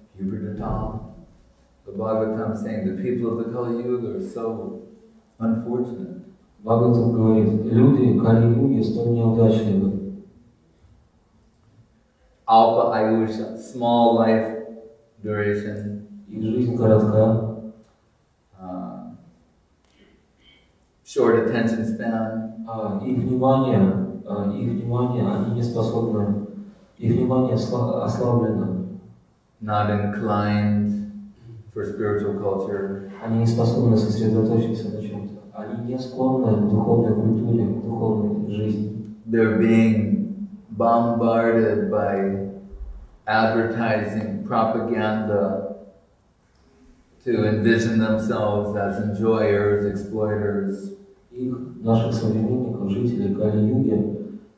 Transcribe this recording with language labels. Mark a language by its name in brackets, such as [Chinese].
[English] The Bhagavatam is saying the people of the Kali Yuga are so unfortunate. [Russian] Bhagavatam говорит, люди Кали Юги столь неудачливы. [English] Alpa Ayusha, small life duration. [Russian] Их жизнь коротка. [English] Short attention span. [Russian] Их внимание, они не способны. Их внимание ослаблено. [English] Not inclined for spiritual culture. [Russian] Они не способны сосредоточиться на чем-то. Они не склонны к духовной культуре, к духовной жизни. [English] They're being bombarded by advertising propaganda to envision themselves as enjoyers, exploiters. [Russian] Их наших современников, жителей Кали-юги,